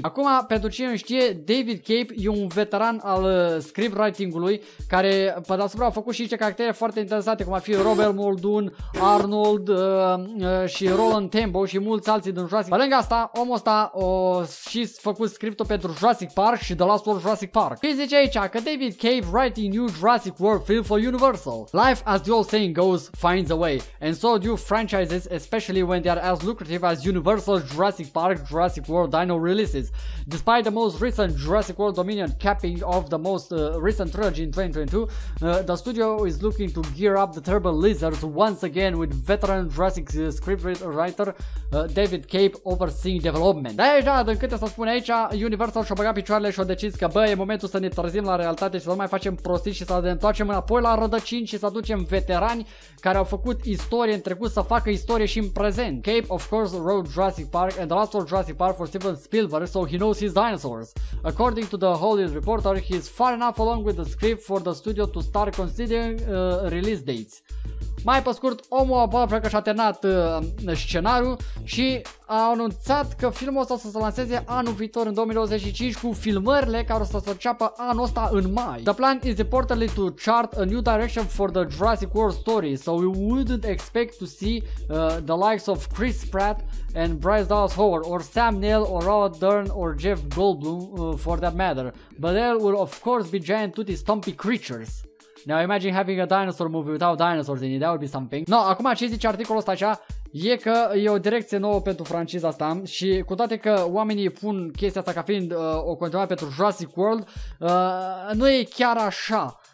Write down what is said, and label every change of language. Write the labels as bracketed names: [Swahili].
[Romanian] Acum, pentru cine nu știe, David Cape e un veteran al scriptwriting-ului care pe deasupra a făcut și niște caractere foarte interesante, cum ar fi Robert Muldoon, Arnold și Roland Tembo și mulți alții din Jurassic. Pe lângă asta, omul ăsta a și făcut scriptul pentru Jurassic Park și The Last World Jurassic Park. Și zice aici că [English] David Cape writing new Jurassic World film for Universal. Life, as the old saying goes, finds a way. And so do franchises, especially when they are as lucrative as Universal's Jurassic Park, Jurassic World Dino releases. Despite the most recent Jurassic World Dominion capping of the most recent trilogy in 2022, the studio is looking to gear up the terrible lizards once again with veteran Jurassic scriptwriter David Cape overseeing development. [Romanian] Da, deja, din câte se spune aici, Universal și-a băgat picioarele și-a decis că bă, e momentul să ne trezim la realitate și să nu mai facem prostii și să ne întoarcem înapoi la rădăcini și să aducem veterani care au făcut istorie în trecut să facă istorie și în prezent. [English] Cape, of course, wrote Jurassic Park and the last world Jurassic Park for Steven Spielberg, so he knows his dinosaurs. According to the Hollywood Reporter, he is far enough along with the script for the studio to start considering release dates. [Romanian] Mai pe scurt, omul aproape că și-a terminat scenariul și a anunțat că filmul ăsta o să se lanseze anul viitor în 2025 cu filmările care o să se înceapă anul ăsta în mai. [English] The plan is reportedly to chart a new direction for the Jurassic World story, so we wouldn't expect to see the likes of Chris Pratt and Bryce Dallas Howard or Sam Neill or Rod Dern or Jeff Goldblum for that matter, but there will of course be giant tutti stumpy creatures. Now imagine having a dinosaur movie without dinosaurs in it, that would be something. [Romanian] No, acum ce zice articolul ăsta așa, e că e o direcție nouă pentru franciza asta și cu toate că oamenii pun chestia asta ca fiind o continuare pentru Jurassic World, nu e chiar așa.